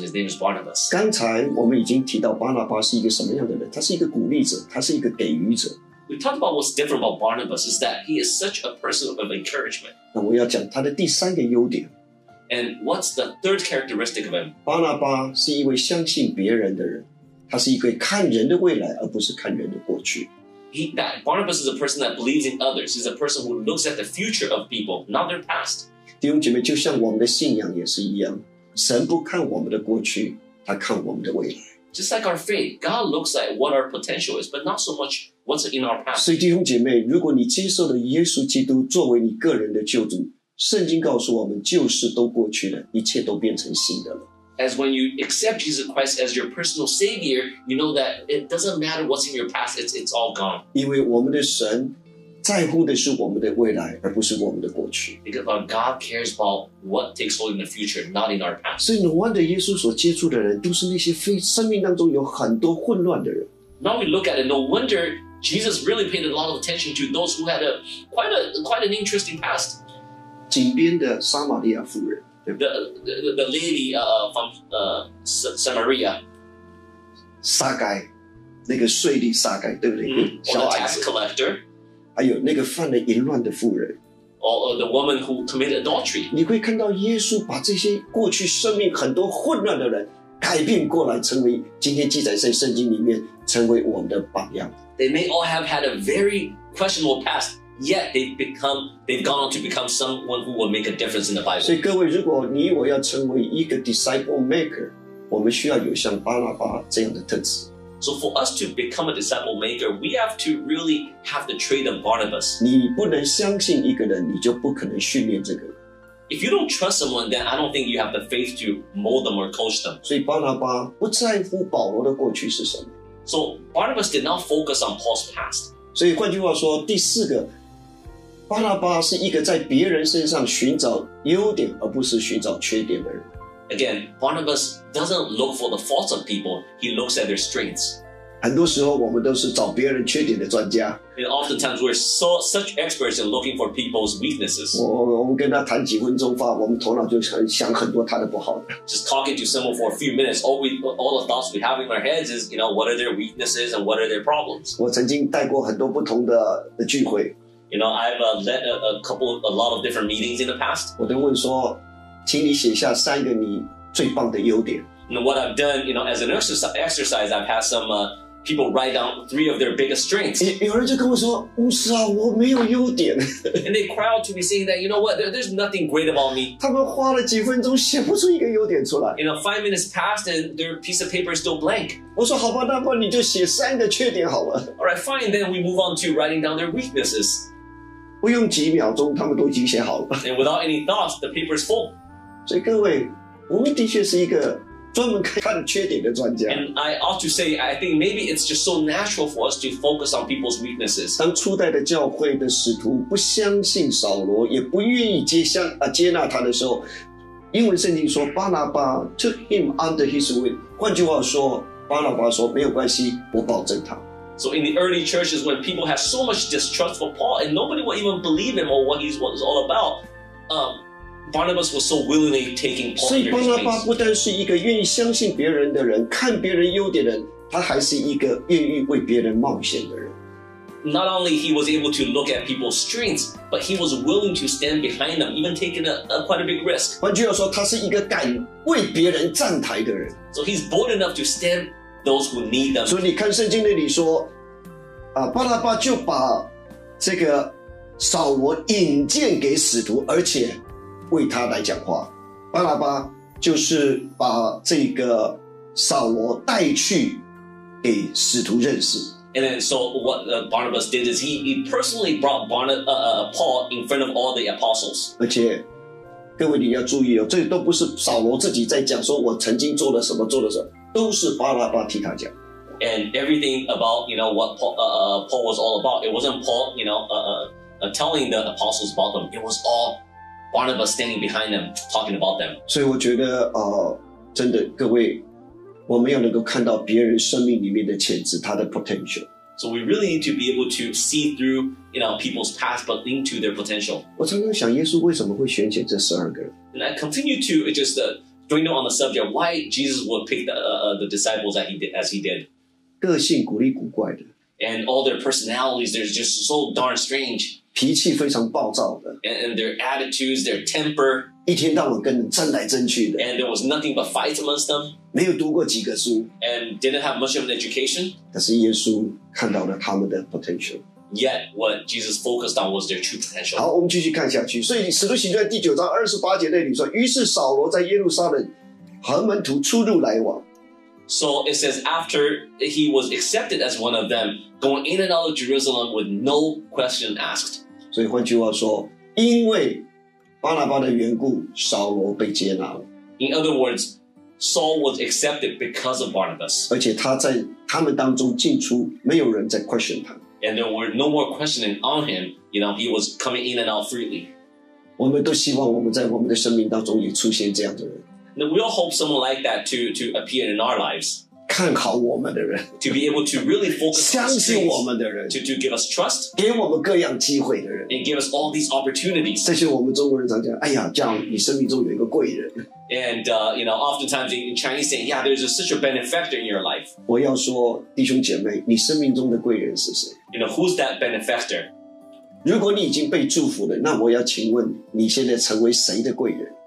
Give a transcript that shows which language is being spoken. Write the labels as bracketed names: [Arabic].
[English] His name is Barnabas. [Chinese] 刚才我们已经提到巴拿巴是一个什么样的人，他是一个鼓励者，他是一个给予者。 [English] We talked about what's different about Barnabas is that he is such a person of encouragement. [Chinese] 那我要讲他的第三个优点。 [English] And what's the third characteristic of him? [Chinese] 巴拿巴是一位相信别人的人，他是一位看人的未来而不是看人的过去。 [English] Barnabas is a person that believes in others. He's a person who looks at the future of people, not their past. [Chinese] 弟兄姐妹，就像我们的信仰也是一样，神不看我们的过去，他看我们的未来。 [English] Just like our faith, God looks at what our potential is, but not so much what's in our past. [Chinese] 所以弟兄姐妹，如果你接受了耶稣基督作为你个人的救主，圣经告诉我们，旧事都过去了，一切都变成新的了。 [English] As when you accept Jesus Christ as your personal savior, you know that it doesn't matter what's in your past, it's all gone. [Chinese] 因为我们的神在乎的是我们的未来，而不是我们的过去。 [English] Because our God cares about what takes hold in the future, not in our past. [Chinese] 所以 [English] no wonder [Chinese] 耶稣所接触的人都是那些非生命当中有很多混乱的人。 [English] Now we look at it, no wonder Jesus really paid a lot of attention to those who had quite an interesting past. [Chinese] 井边的撒玛利亚妇人。 [English] The lady from Samaria. [Chinese] 撒该，那个税吏撒该，对不对？ [English] Or the tax collector. [Chinese] 还有那个犯了淫乱的妇人。 [English] Or the woman who committed adultery. [Chinese] 你会看到耶稣把这些过去生命很多混乱的人改变过来，成为今天记载在圣经里面成为我们的榜样。 [English] They may all have had a very questionable past. Yet they've gone on to become someone who will make a difference in the Bible. [Chinese] 所以各位，如果你我要成为一个 [English] disciple maker, [Chinese] 我们需要有像巴拿巴这样的特质。 [English] So for us to become a disciple maker, we have to really have the trait of Barnabas. [Chinese] 你不能相信一个人，你就不可能训练这个人。 [English] If you don't trust someone, then I don't think you have the faith to mold them or coach them. [Chinese] 所以巴拿巴不在乎保罗的过去是什么。 [English] So Barnabas did not focus on Paul's past. [Chinese] 所以换句话说，第四个，巴拿巴是一个在别人身上寻找优点，而不是寻找缺点的人。 [English] Again, Barnabas doesn't look for the faults of people; he looks at their strengths. [Chinese] 很多时候，我们都是找别人缺点的专家。 [English] And oftentimes, we're so such experts in looking for people's weaknesses. [Chinese] 我们跟他谈几分钟话，我们头脑就想很多他的不好的。 [English] Just talking to someone for a few minutes, all the thoughts we have in our heads is, you know, what are their weaknesses and what are their problems. [Chinese] 我曾经带过很多不同的聚会。 [English] You know, I've led a lot of different meetings in the past. [Chinese] 我都问说，请你写下三个你最棒的优点。 [English] And what I've done, you know, as an exercise, I've had some. People write down three of their biggest strengths. [Chinese] 有人就跟我说，牧师啊，我没有优点。 [English] And they cry out to me saying that, you know what, there's nothing great about me. [Chinese] 他们花了几分钟写不出一个优点出来。 [English] You know, 5 minutes passed and their piece of paper is still blank. [Chinese] 我说好吧，那么你就写三个缺点好了。 [English] All right, fine, then we move on to writing down their weaknesses. [Chinese] 不用几秒钟，他们都已经写好了。 [English] And without any thoughts, the paper is full. [Chinese] 所以各位，我们的确是一个专门看缺点的专家。 [English] And I ought to say, I think maybe it's just so natural for us to focus on people's weaknesses. [Chinese] 当初代的教会的使徒不相信扫罗，也不愿意接纳他的时候，英文圣经说巴拿巴 [English] took him under his wing. [Chinese] 换句话说，巴拿巴说没有关系，我保证他。 [English] So in the early churches, when people had so much distrust for Paul and nobody would even believe him or what he was all about, Barnabas was so willingly taking part in his case. [Chinese] 所以巴拿巴不但是一个愿意相信别人的人，看别人优点的人，他还是一个愿意为别人冒险的人。 [English] not only he was able to look at people's strengths, but he was willing to stand behind them, even taking quite a big risk. [Chinese] 换句话说，他是一个敢为别人站台的人。 [English] So he's bold enough to stand those who need them. [Chinese] 所以你看圣经那里说，啊，巴拉巴就把这个扫罗引荐给使徒，而且为他来讲话。巴拉巴就是把这个扫罗带去给使徒认识。 [English] And then, so what Barnabas did is he personally brought Paul in front of all the apostles. [Chinese] 而且各位你要注意哦，这都不是扫罗自己在讲，说我曾经做了什么做了什么，都是巴拉巴替他讲。 [English] And everything about, you know, what Paul was all about, it wasn't Paul, you know, telling the apostles about them. It was all Barnabas standing behind them, talking about them. [Chinese] 所以我觉得真的各位，我们要能够看到别人生命里面的潜质，他的 potential. [English] So we really need to be able to see through, you know, people's past, but into their potential. [Chinese] 我常常想耶稣为什么会选选这十二个人。 [English] And I continue to just bring on the subject, why Jesus would pick the disciples that he did, as he did. [Chinese] 个性古里古怪的 [English] and all their personalities, they're just so darn strange. [Chinese] 脾气非常暴躁的 [English] and their attitudes, their temper. [Chinese] 一天到晚跟人争来争去的 [English] and there was nothing but fights amongst them. [Chinese] 没有读过几个书 [English] and didn't have much of an education. [Chinese] 但是耶稣看到了他们的 potential. [English] Yet what Jesus focused on was their true potential. [Chinese] 好，我们继续看下去。所以《使徒行传》第九章二十八节那里说，于是扫罗在耶路撒冷和门徒出入来往。 [English] So it says, after he was accepted as one of them, going in and out of Jerusalem with no question asked. [Chinese] 所以换句话说，因为巴拉巴的缘故，扫罗被接纳了。 [English] In other words, Saul was accepted because of Barnabas. [Chinese] 而且他在他们当中进出，没有人在 question 他。 [English] And there were no more questioning on him, you know, he was coming in and out freely. [Chinese] 我们都希望我们在我们的生命当中也出现这样的人。 [English] Now, we all hope someone like that to appear in our lives. [Chinese] 看好我们的人 [English] To be able to really focus on strength, [Chinese] 相信我们的人 [English] To give us trust. [Chinese] 给我们各样机会的人 [English] And give us all these opportunities. [Chinese] 这些我们中国人常讲，哎呀，这样你生命中有一个贵人。 [English] And, you know, oftentimes in Chinese saying, yeah, there's such a benefactor in your life. [Chinese] 我要说，弟兄姐妹，你生命中的贵人是谁？ [English] You know, who's that benefactor? [Chinese] 如果你已经被祝福了，那我要请问，你现在成为谁的贵人？